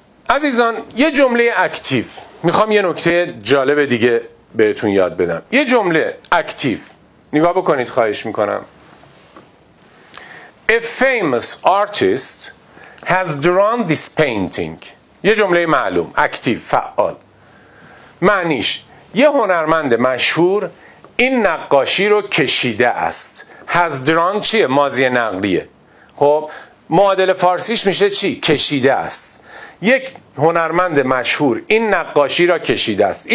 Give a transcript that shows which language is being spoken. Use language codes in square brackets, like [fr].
[fa] عزیزان، یه جمله اکتیو میخوام یه نکته جالب دیگه بهتون یاد بدم. یه جمله اکتیو نگاه بکنید، خواهش میکنم. [en] A famous artist has drawn this painting. [fa] یه جمله معلوم، اکتیو، فعال. معنیش یه هنرمند مشهور این نقاشی رو کشیده است. [en] has drawn [fa] چیه؟ ماضی نقلیه. خب معادل فارسیش میشه چی؟ کشیده است. یک هنرمند مشهور این نقاشی را کشیده است.